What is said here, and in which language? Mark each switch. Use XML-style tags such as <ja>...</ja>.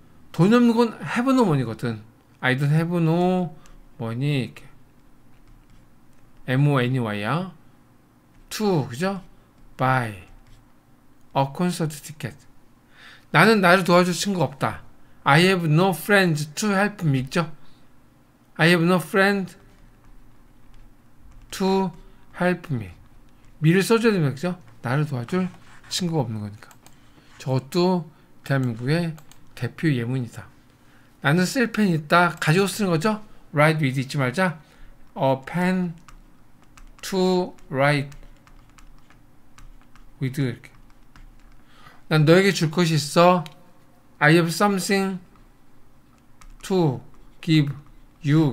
<ko>돈 없는 건</ko> <en>have no money</en> <ko>거든.</ko> <en>I don't have no money.</en> <ko>money야.</ko> <en>to,</en> <ko>그죠?</ko> <en>buy a concert ticket.</en> <ko>나는 나를 도와줄 친구 없다.</ko> <en>I have no friends to help me,</en> <ko>있죠?</ko> <en>I have no friend to help me.</en> <ko>미를 써줘야 되는 거죠? 나를 도와줄 친구가 없는 거니까. 저것도 대한민국의 대표 예문이다. 나는 쓸펜 있다. 가지고 쓰는 거죠?</ko> <en>Write with</en> <ko>잊지 말자.</ko> <en>A pen to write with</en> <ko>이렇게. 난 너에게 줄 것이 있어.</ko> <en>I have something to give you.</en>